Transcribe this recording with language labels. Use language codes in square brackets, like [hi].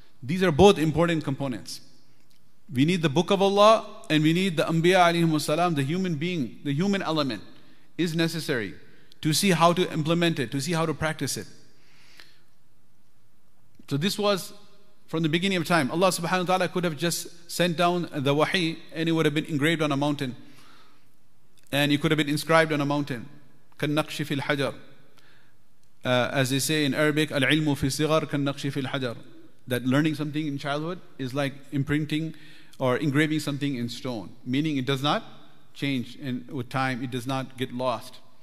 [en] These are both important components. We need the Book of Allah, and we need the Anbiya alayhi wasalam, the human being, the human element is necessary to see how to implement it, to see how to practice it. So this was from the beginning of time. Allah subhanahu wa ta'ala could have just sent down the wahi and it would have been engraved on a mountain. And it could have been inscribed on a mountain. [ar] كَالنَّقْشِ فِي الْحَجَرِ [en] as they say in Arabic, [ar] الْعِلْمُ فِي الصِّغَرِ كَالنَّقْشِ فِي الْحَجَرِ. [en] That learning something in childhood is like imprinting or engraving something in stone. Meaning it does not change and with time, it does not get lost.